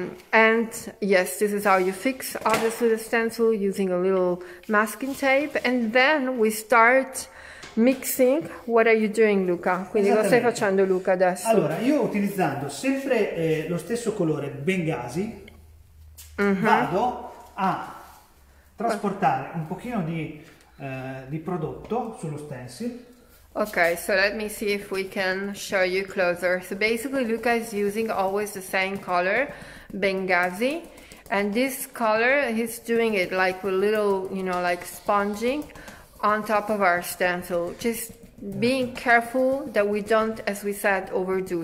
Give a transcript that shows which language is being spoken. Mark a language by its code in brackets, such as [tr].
[en] And yes, this is how you fix obviously the stencil, using a little masking tape, and then we start mixing. What are you doing, Luca? [it] Quindi cosa stai facendo, Luca, adesso? Allora, io utilizzando sempre lo stesso colore Bengasi, vado a trasportare un pochino di prodotto sullo stencil. [en] Okay, so let me see if we can show you closer. So basically Luca is using always the same color, Bengasi, and this color, he's doing it like a little, you know, like sponging on top of our stencil. Just being careful that we don't, as we said, overdo.